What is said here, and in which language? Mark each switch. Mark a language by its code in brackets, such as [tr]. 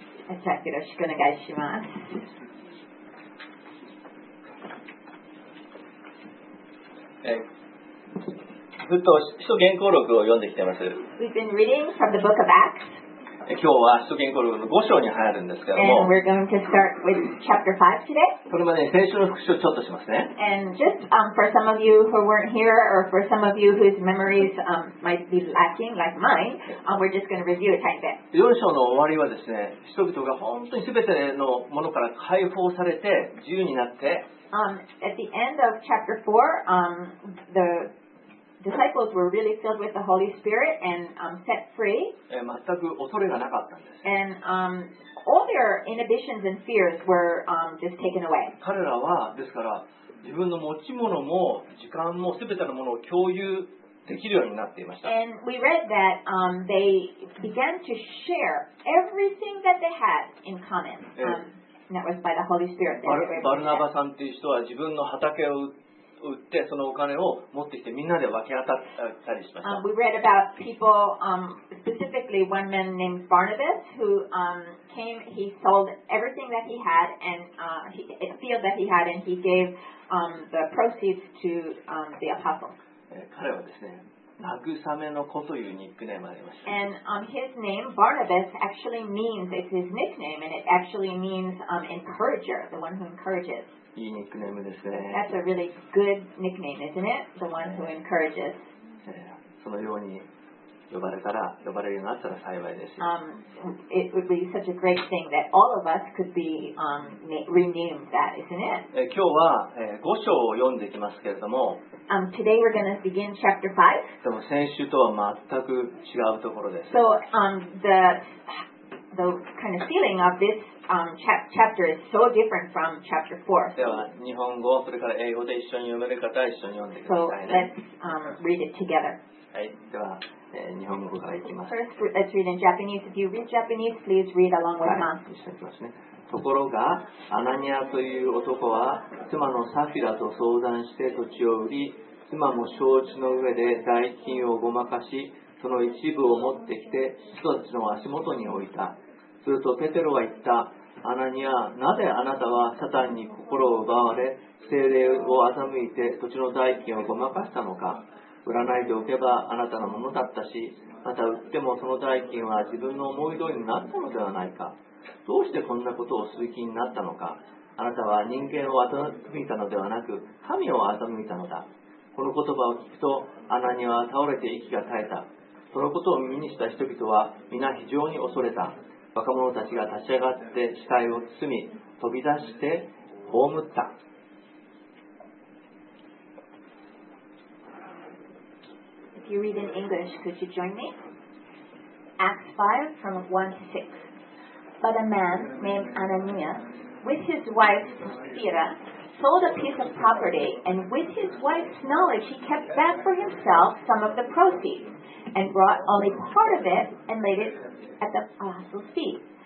[ja] じゃあよろしくお願いします。ずっと使徒言行録を読んできています。 [en] We've been reading from the book of Acts. [ja] 今日は使徒言行録の5章に入るんですけども。 [en] And we're going to start with chapter 5 today. [ja] これまでに先週の復習をちょっとしますね。 [en] And just for some of you who weren't here or for some of you whose memories might be lacking like mine, we're just going to review a tiny bit. [ja] 4章の終わりはですね、人々が本当にすべてのものから解放されて自由になって。 [en] At the end of chapter 4, the disciples were really filled with the Holy Spirit and set free. [ja] 全く恐れがなかったんです。 [en] And all their inhibitions and fears were just taken away. [ja] 彼らはですから自分の持ち物も時間も全てのものを共有できるようになっていました。 [en] And we read that they began to share everything that they had in common. That was by the Holy Spirit. [ja] バルナバさんという人は自分の畑を売ってそのお金を持ってきてみんなで分け当たったりしました。 [en] We read about people, specifically one man named Barnabas who came. He sold everything that he had and a field that he had, and he gave the proceeds to the apostles. [ja] 彼はですね、慰めの子というニックネームがありました。 [en] And his name Barnabas actually means it's his nickname, and it actually means encourager, the one who encourages. [ja] いいニックネームですね。 [en] That's a really good nickname, isn't it? The one who encourages. [ja] そのように呼ばれるようになったら幸いです。 [en] It would be such a great thing that all of us could be renamed that, isn't it? [ja] 今日は五章を読んでいきますけれども。 [en] Today we're going to begin chapter 5. [ja] でも先週とは全く違うところです。 [en] So the kind of feeling of this. Chapter is so different from chapter 4. [ja] では日本語それから英語で一緒に読める方は一緒に読んでくださいね。 [en] So let's read it together. [ja] はい、では日本語からいきます。 [en] First, let's read in Japanese. If you read Japanese, please read along with me. [ja] 一緒にいきますね。ところがアナニアという男は妻のサフィラと相談して土地を売り、妻も承知の上で代金をごまかし、その一部を持ってきて人たちの足元に置いた。するとペテロは言った。アナニア、なぜあなたはサタンに心を奪われ、聖霊を欺いて土地の代金をごまかしたのか。売らないでおけばあなたのものだったし、また売ってもその代金は自分の思い通りになったのではないか。どうしてこんなことをする気になったのか。あなたは人間を欺いたのではなく神を欺いたのだ。この言葉を聞くとアナニアは倒れて息が絶えた。そのことを耳にした人々は皆非常に恐れた。若者たちが立ち上がって死体を包み飛び出して葬った。 [en] If you read in English, could you join me? Acts 5 from 1 to 6. But a man named Ananias, with his wife Sapphira, sold a piece of property, and with his wife's knowledge, he kept back for himself some of the proceeds, and brought only part of it and laid it at the apostles' feet.